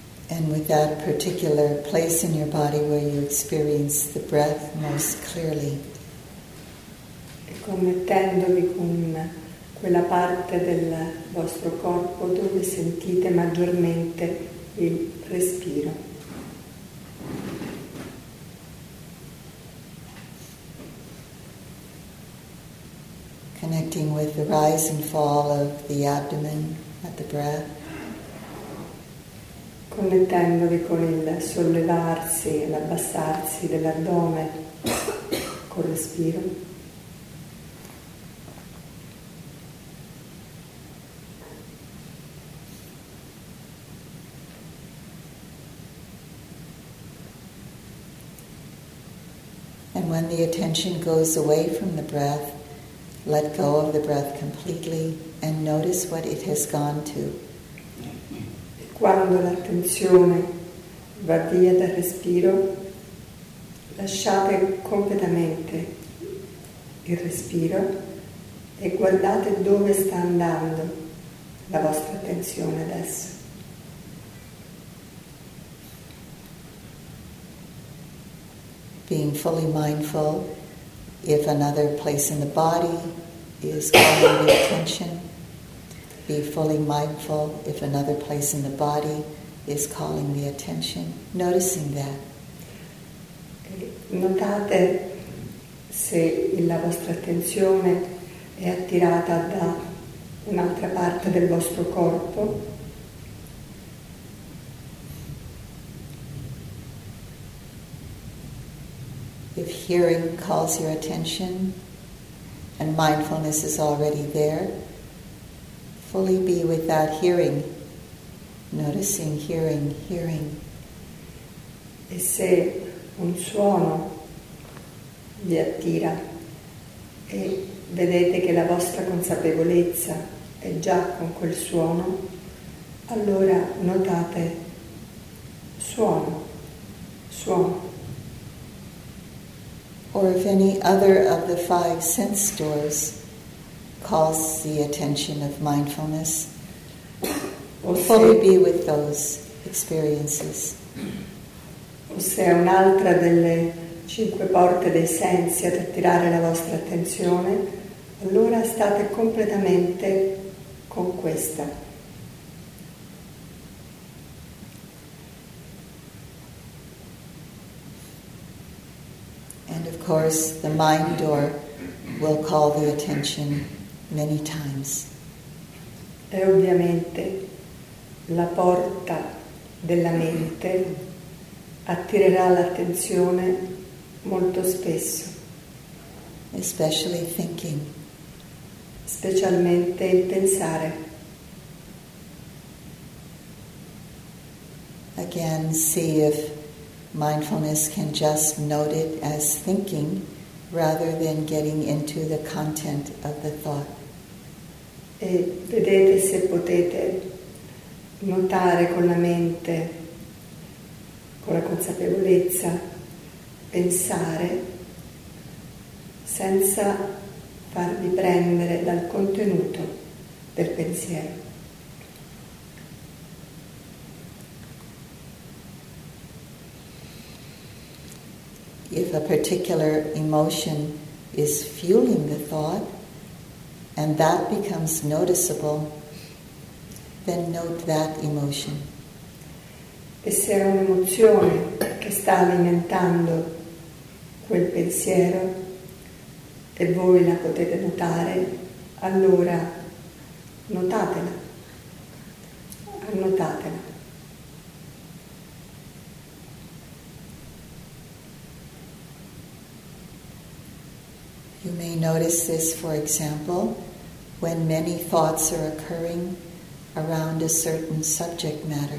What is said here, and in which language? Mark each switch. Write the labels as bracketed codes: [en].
[en] And with that particular place in your body where you experience the breath most clearly. [it] E connettendovi con quella parte del vostro corpo dove sentite maggiormente il respiro. [en] Connecting with the rise and fall of the abdomen at the breath. [it] Connettendovi con il sollevarsi e l'abbassarsi dell'addome col respiro. [en] And when the attention goes away from the breath, let go of the breath completely and notice what it has gone to. [it] Quando l'attenzione va via dal respiro, lasciate completamente il respiro e guardate dove sta andando la vostra attenzione adesso. [en] Being fully mindful if another place in the body is calling the attention. Be fully mindful if another place in the body is calling the attention. Noticing that. [it] Notate se la vostra attenzione è attirata da un'altra parte del vostro corpo. [en] If hearing calls your attention and mindfulness is already there, fully be with that hearing, noticing hearing. [it] E se un suono vi attira e vedete che la vostra consapevolezza è già con quel suono, allora notate suono. [en] Or if any other of the five sense doors calls the attention of mindfulness, fully be with those experiences. [it] O se è un'altra delle cinque porte dei sensi ad attirare la vostra attenzione, allora state completamente con questa. [en] Of course, the mind door will call the attention many times. [it] E ovviamente la porta della mente attirerà l'attenzione molto spesso. [en] Especially thinking. [it] Specialmente il pensare. [en] Again, see if mindfulness can just note it as thinking rather than getting into the content of the thought. [it] E vedete se potete notare con la mente, con la consapevolezza, pensare senza farvi prendere dal contenuto del pensiero. [en] If a particular emotion is fueling the thought and that becomes noticeable, then note that emotion. [it] E se è un'emozione che sta alimentando quel pensiero e voi la potete notare, allora annotatela. [en] You may notice this, for example, when many thoughts are occurring around a certain subject matter.